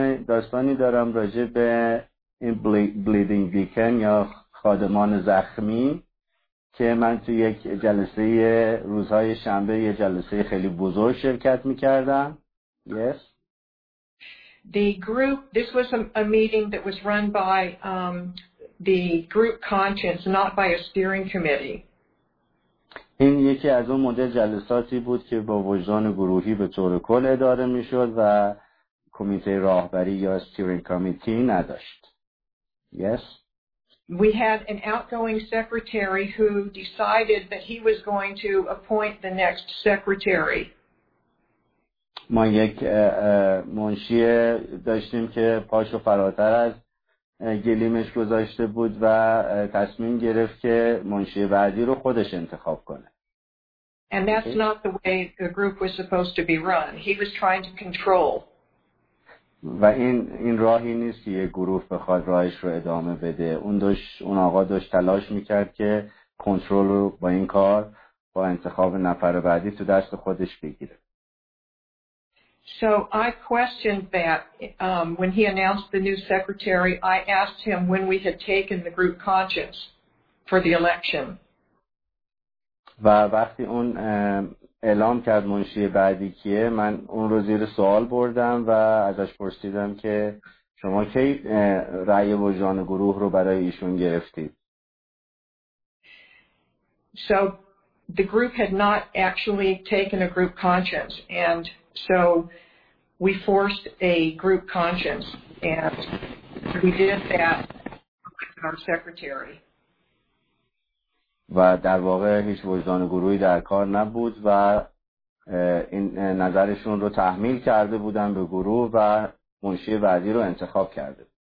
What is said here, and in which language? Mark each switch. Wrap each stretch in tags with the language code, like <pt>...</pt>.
<fa>داستانی دارم راجع به این bleeding deacon یا خادمان زخمی که من تو یک جلسه روزهای شنبه یه جلسه خیلی بزرگ شرکت می‌کردم.</fa> <en>Yes. The group, this was a meeting that was run by the group conscience, not by a steering committee.</en> <fa>این یکی از اون مدل جلساتی بود که با وجدان گروهی به طور کل اداره میشد و کمیته راهبری یا steering committee نداشت.</fa> <en>Yes. We had an outgoing secretary who decided that he was going to appoint the next secretary.</en> <fa>ما یک منشی داشتیم که پاشو فراتر از گلیمش گذاشته بود و تصمیم گرفت که منشی بعدی رو خودش انتخاب کنه.</fa> <en>And that's okay. Not the way the group was supposed to be run. He was trying to control.</en> <fa>و این راهی نیست که یه گروه بخواد راهش رو ادامه بده. اون آقا داشت تلاش میکرد که کنترل رو با این کار با انتخاب نفر بعدی تو دست خودش بگیره.</fa> <en>So I questioned that when he announced the new secretary, I asked him when we had taken the group conscience for the election.</en> <fa>و وقتی اون اعلام کرد منشی بعدی کیه، من اون رو زیر سوال بردم و ازش پرسیدم که شما کی رأی وجدان گروه رو برای ایشون گرفتید.</fa> <en>So the group had not actually taken a group conscience, and so we forced a group conscience, and we did that with our secretary.</en> <fa>و در واقع هیچ وجدان گروهی در کار نبود و این نظرشون رو تحمیل کرده بودن به گروه و منشی بعدی رو انتخاب کرده.</fa>